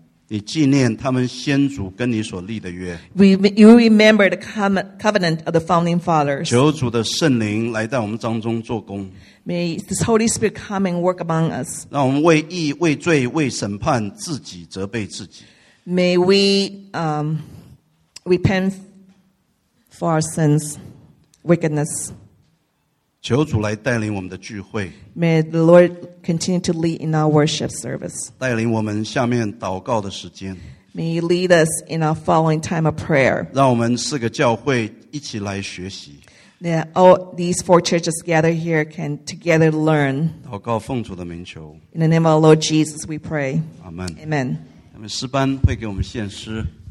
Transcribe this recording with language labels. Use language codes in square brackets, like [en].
[zh] 你纪念他们先祖跟你所立的约。 [en] You remember the covenant of the founding fathers. [zh] 求主的圣灵来到我们当中做工。 [en] May this Holy Spirit come and work among us. [zh] 让我们为义、为罪、为审判自己责备自己。 [en] May we repent for our sins, wickedness. [zh] 求主来带领我们的聚会。 [en] May the Lord continue to lead in our worship service. [zh] 带领我们下面祷告的时间。 [en] May you lead us in our following time of prayer. [zh] 让我们四个教会一起来学习。 [en] That all these four churches gather here can together learn. [zh] 祷告奉主的名求。 [en] In the name of our Lord Jesus, we pray. Amen. Amen. [zh] 他们诗班会给我们献诗。